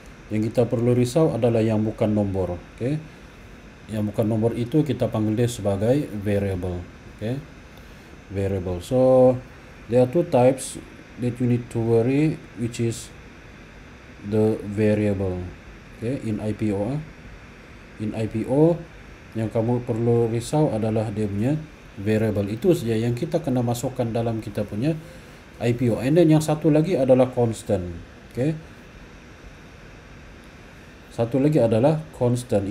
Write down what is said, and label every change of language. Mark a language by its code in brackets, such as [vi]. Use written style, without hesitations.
[ms] Yang kita perlu risau adalah yang bukan nomor, okay? Yang bukan nomor itu kita panggil dia sebagai variable, okay? [en] Variable. So there are two types that you need to worry, which is the variable, okay? [ms] In IPO, yang kamu perlu risau adalah dia punya variable. Itu saja yang kita kena masukkan dalam kita punya IPO. [en] And then [ms] yang satu lagi adalah constant. Okay. Satu lagi adalah constant.